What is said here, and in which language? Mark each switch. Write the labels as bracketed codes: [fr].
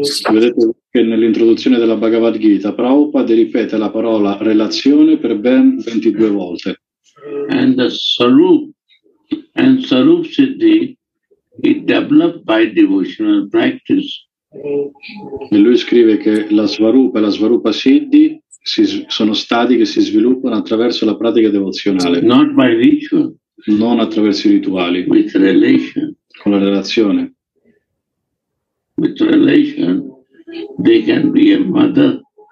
[it] Vedete che nell'introduzione della Bhagavad Gita Prabhupada ripete la parola relazione per ben 22 volte. [en] And the sarup and sarup siddhi is developed by devotional practice. [it] E lui scrive che la svarupa e la svarupa siddhi sono stati che si sviluppano attraverso la pratica devozionale, [en] not by ritual, [it] non attraverso i rituali, [en] with relation, [it] con la relazione. [en] With relation they can be a mother